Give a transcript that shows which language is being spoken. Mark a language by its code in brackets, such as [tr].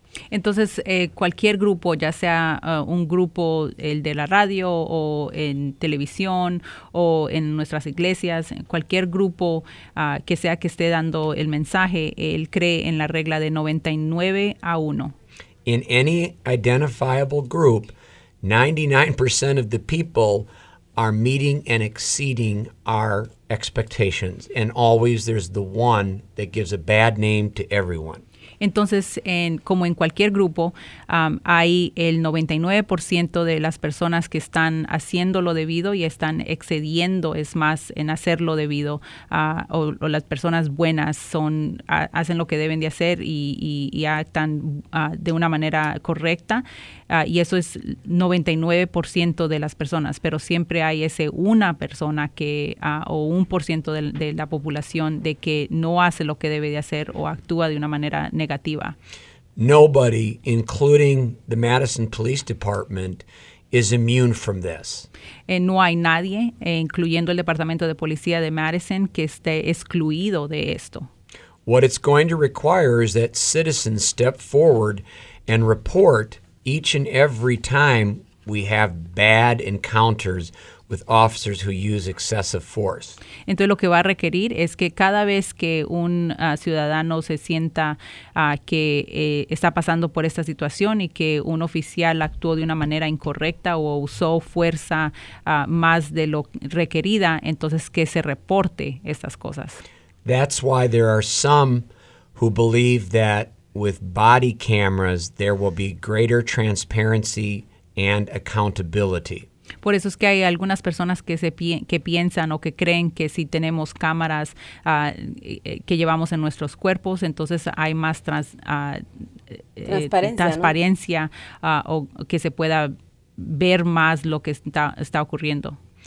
[es] Entonces, cualquier grupo, ya sea un grupo, el de la radio, o en televisión, o en nuestras iglesias, cualquier grupo que sea que esté dando el mensaje, él cree en la regla de 99-1. [en] In any identifiable group, 99% of the people are meeting and exceeding our expectations. And always there's the one that gives a bad name to everyone. [es] Entonces, como en cualquier grupo, hay el 99% de las personas que están haciendo lo debido y están excediendo, es más, en hacer lo debido. O las personas buenas hacen lo que deben de hacer y actan de una manera correcta. Y eso es 99% de las personas, pero siempre hay ese una persona que o 1% de la población de que no hace lo que debe de hacer o actúa de una manera negativa. [en] Nobody, including the Madison Police Department, is immune from this. [es] No hay nadie, incluyendo el Departamento de Policía de Madison, que esté excluido de esto. [en] What it's going to require is that citizens step forward and report each and every time we have bad encounters with officers who use excessive force. [es] Entonces lo que va a requerir es que cada vez que un ciudadano se sienta que está pasando por esta situación y que un oficial actuó de una manera incorrecta o usó fuerza más de lo requerida, entonces que se reporte estas cosas. [en] That's why there are some who believe that with body cameras, there will be greater transparency and accountability. [es] Por eso es que hay algunas personas que piensan o que creen que si tenemos cámaras que llevamos en nuestros cuerpos, entonces hay más transparencia, ¿no? O que se pueda ver más lo que está ocurriendo.